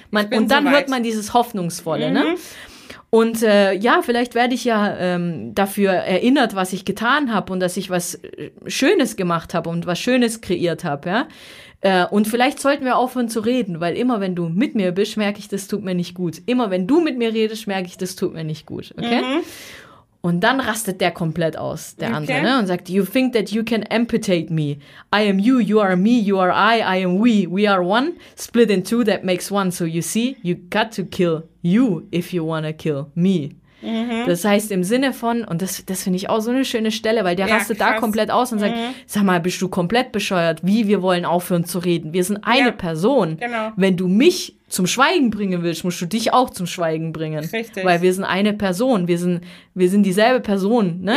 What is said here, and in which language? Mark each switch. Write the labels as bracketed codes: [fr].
[de] man, und dann hört man dieses Hoffnungsvolle, ne? Und vielleicht werde ich ja dafür erinnert, was ich getan habe und dass ich was Schönes gemacht habe und was Schönes kreiert habe, ja? Und vielleicht sollten wir aufhören zu reden, weil immer wenn du mit mir bist, merke ich, das tut mir nicht gut. Immer wenn du mit mir redest, merke ich, das tut mir nicht gut. Okay? Mhm. Und dann rastet der komplett aus, der andere, ne? Und sagt, [en] you think that you can amputate me. I am you are me, you are I am we. We are one, split in two, that makes one. So you see, you got to kill you, if you wanna kill me. Mhm. [de] Das heißt im Sinne von, und das finde ich auch so eine schöne Stelle, weil der rastet da komplett aus und sagt, sag mal, bist du komplett bescheuert, wie wir wollen aufhören zu reden. Wir sind eine Person. Genau. Wenn du mich zum Schweigen bringen willst, musst du dich auch zum Schweigen bringen. Richtig. Weil wir sind eine Person, wir sind dieselbe Person, ne?